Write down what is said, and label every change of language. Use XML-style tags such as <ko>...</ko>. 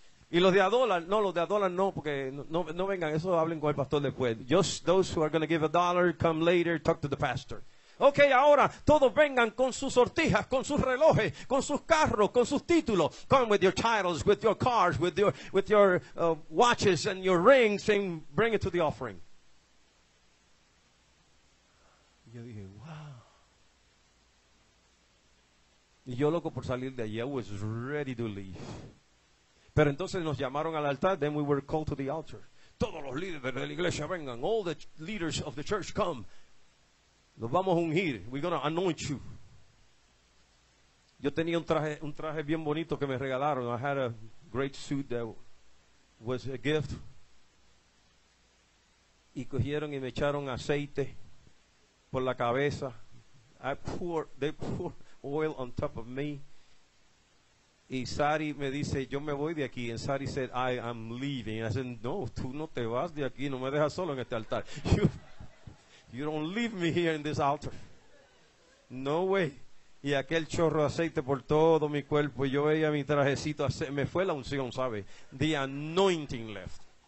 <es>Y los de a dólar, no, los de a dólar no, porque no vengan, eso hablen con el pastor después.</es> <en>Just those who are going to give $1, come later, talk to the pastor.</en> <es>Okay, ahora, todos vengan con sus sortijas, con sus relojes, con sus carros, con sus títulos.</es> <en>Come with your titles, with your cars, with your watches and your rings, and bring it to the offering.</en> <es>Yo dije, wow. Y yo loco por salir de allí.</es> <en>I was ready to leave.</en> <es>Pero entonces nos llamaron al altar.</es> <en>Then we were called to the altar.</en> <es>Todos los líderes de la iglesia vengan.</es> <en>All the leaders of the church come.</en> <es>Los vamos a ungir.</es> <en>We're going to anoint you.</en> <es>Yo tenía un traje bien bonito que me regalaron.</es> <en>I had a great suit that was a gift.</en> <es>Y cogieron y me echaron aceite por la cabeza.</es> <en>They poured oil on top of me.</en> <es>Y Sari me dice, yo me voy de aquí.</es> <en>And Sari said, I am leaving. And I said,</en> <es>no, tú no te vas de aquí. No me dejas solo en este altar.</es> <en>You don't leave me here in this altar. No way.</en> <es>Y aquel chorro de aceite por todo mi cuerpo. Yo veía mi trajecito. Me fue la unción, ¿sabe?</es> <en>The anointing left.</en>